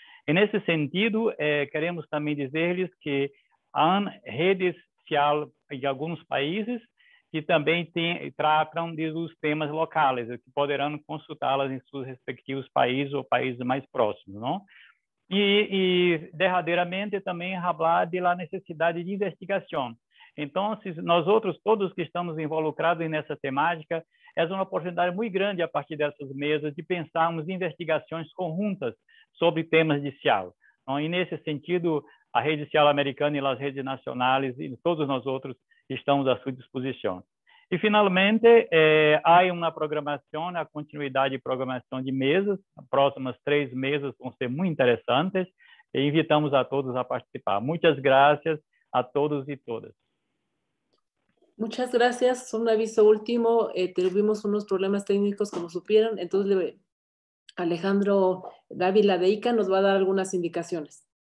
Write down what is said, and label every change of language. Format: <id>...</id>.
<es>En ese sentido, queremos también decirles que hay redes sociales de algunos países que también tratan de los temas locales, que podrán consultarlas en sus respectivos países o países más próximos, ¿no? Y derradeiramente también hablar de la necesidad de investigación. Entonces, nosotros, todos que estamos involucrados</es> <pt>nessa temática, é uma oportunidade muito grande a partir dessas mesas de pensarmos em investigações conjuntas sobre temas de CIAL. E nesse sentido, a rede CIAL americana e as redes nacionais e todos nós outros estamos à sua disposição. E, finalmente, há uma programação, a continuidade de programação de mesas. As próximas três mesas vão ser muito interessantes e invitamos a todos a participar. Muitas graças a todos e todas.</pt> <es>Muchas gracias. Un aviso último. Tuvimos unos problemas técnicos, como supieron. Entonces, Alejandro Dávila de ICA nos va a dar algunas indicaciones.</es>